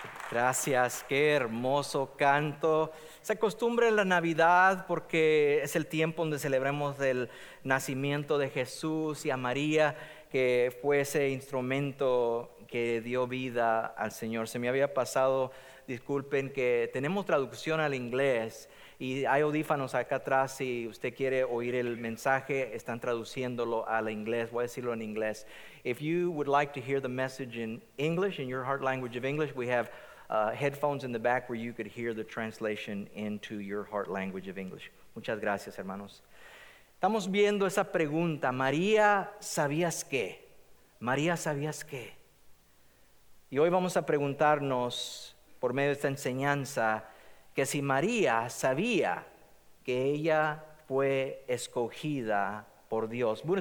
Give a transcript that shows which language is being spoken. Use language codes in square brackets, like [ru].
[es] Gracias, qué hermoso canto. Se acostumbra en la Navidad porque es el tiempo donde celebramos el nacimiento de Jesús y a María, que fue ese instrumento que dio vida al Señor. Se me había pasado, disculpen, que tenemos traducción al inglés y hay audífonos acá atrás. Si usted quiere oír el mensaje, están traduciéndolo al inglés. Voy a decirlo en inglés. [en] If you would like to hear the message in English, in your heart language of English, we have headphones in the back where you could hear the translation into your heart language of English. [es] Muchas gracias, hermanos. Estamos viendo esa pregunta. María, ¿sabías qué? María, ¿sabías qué? Y hoy vamos a preguntarnos, por medio de esta enseñanza, que si María sabía que ella fue escogida por Dios.